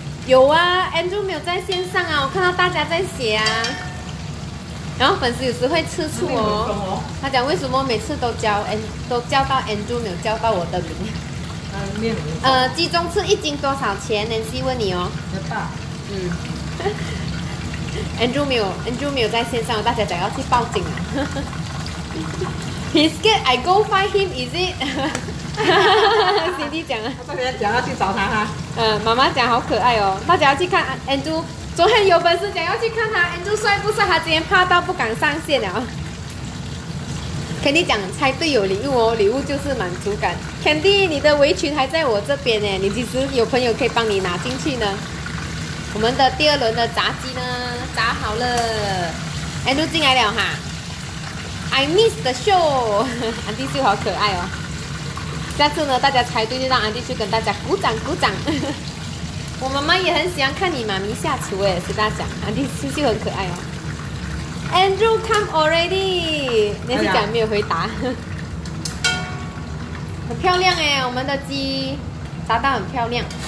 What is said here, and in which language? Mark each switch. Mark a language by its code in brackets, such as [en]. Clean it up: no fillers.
[zh] 有啊， Andrew 没有在线上啊，我看到大家在写啊，然后粉丝有时会吃醋哦，他讲为什么每次都叫到 Andrew 没有叫到我的名，鸡中吃一斤多少钱？ Nancy 问你哦，嗯Andrew 没有在线上，大家讲要去报警啊。 [en] He scared I go find him is it？ [zh] Cindy 讲啊，大家讲要去找他哈。妈妈讲好可爱哦，大家要去看 Andrew， 昨天有粉丝讲要去看他 Andrew 帅不帅，他今天怕到不敢上线了。 Candy 讲猜对有礼物哦，礼物就是满足感。Candy 你的围裙还在我这边呢，你其实有朋友可以帮你拿进去呢。我们的第二轮的炸鸡呢，炸好了， Andrew 进来了哈。 [en] I miss the show， Andy [zh] 就好可爱哦。下次呢，大家猜对就让安迪去跟大家鼓掌鼓掌。我妈妈也很喜欢看你妈咪下厨哎，是大奖。安迪秀秀很可爱哦。 [en] Andrew come already， [zh] 你是讲没有回答。很漂亮哎，我们的鸡炸到很漂亮。